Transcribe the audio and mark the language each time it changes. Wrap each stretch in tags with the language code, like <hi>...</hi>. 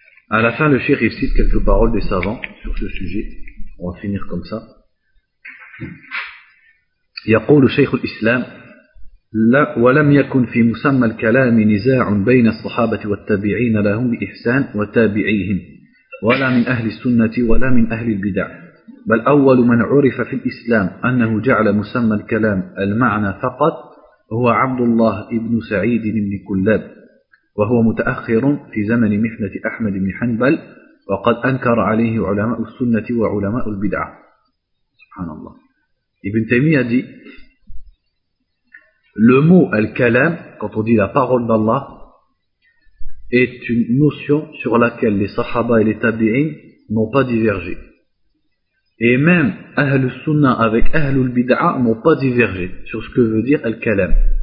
<fr>À la fin, le shir, il cite quelques paroles des savants sur ce sujet. On va finir comme ça.</fr> <ar>يقول شيخ الإسلام لا ولم يكن في مسمى الكلام نزاع بين الصحابة والتابعين لهم بإحسان وتابعيهم ولا من أهل السنة ولا من أهل البدع بل أول من عرف في الإسلام أنه جعل مسمى الكلام المعنى فقط هو عبد الله ابن سعيد بن كلاب وهو متأخر في زمن محنة أحمد بن حنبل وقد أنكر عليه علماء السنة وعلماء البدع سبحان الله.</ar> <fr>Ibn Taymiyyah dit, le mot al-kalam, quand on dit la parole d'Allah, est une notion sur laquelle les sahaba et les tabi'in n'ont pas divergé. Et même ahlul sunnah avec ahlul bid'ah n'ont pas divergé sur ce que veut dire al-kalam.</fr>